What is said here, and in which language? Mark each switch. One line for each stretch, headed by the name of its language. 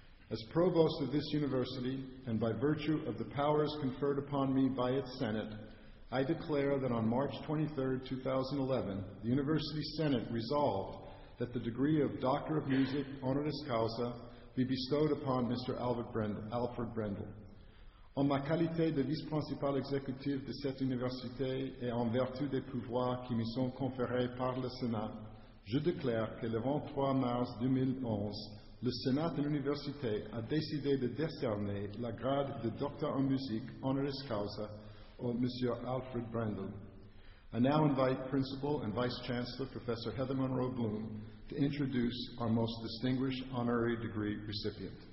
English: As provost of this university, and by virtue of the powers conferred upon me by its Senate, I declare that on March 23, 2011, the University Senate resolved that the degree of Doctor of Music, honoris causa, be bestowed upon Mr. Alfred Brendel.
French: En ma qualité de vice-principal exécutif de cette université et en vertu des pouvoirs qui me sont conférés par le Sénat, je déclare que le 23 mars 2011, le Sénat de l'Université a décidé de décerner la grade de Doctor en musique, honoris causa, or Monsieur Alfred Brendel.
English: I now invite Principal and Vice Chancellor Professor Heather Monroe Bloom to introduce our most distinguished honorary degree recipient.